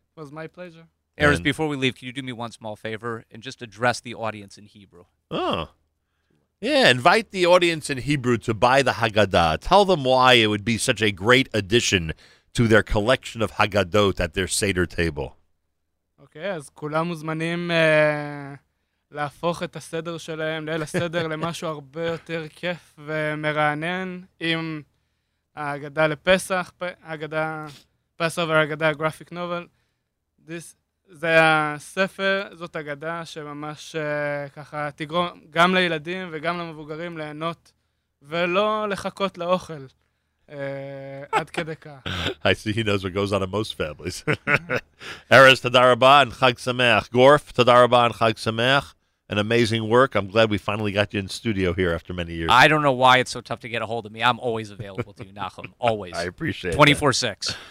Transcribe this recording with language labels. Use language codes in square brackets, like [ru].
[en] It was my pleasure. Erez, before we leave, can you do me one small favor and just address the audience in Hebrew? Oh. Yeah, invite the audience in Hebrew to buy the Haggadah. Tell them why it would be such a great addition to their collection of Haggadot at their Seder table. [he] Okay, as kulam muzmanim להפוך את הסדר שלהם, ליל הסדר, למשהו הרבה יותר כיף ומרענן עם ההגדה לפסח, ההגדה, Passover, ההגדה, graphic novel. זה הספר, זאת הגדה שממש ככה תגרום גם לילדים וגם למבוגרים ליהנות ולא לחכות לאוכל עד כדי כך. [en] I see he knows what goes on in most families. Erez, [he] תודה רבה, חג שמח. גורף, תודה רבה, חג שמח. [en] An amazing work. I'm glad we finally got you in studio here after many years. I don't know why it's so tough to get a hold of me. I'm always available to you, Nachum. Always. I appreciate it. 24/6.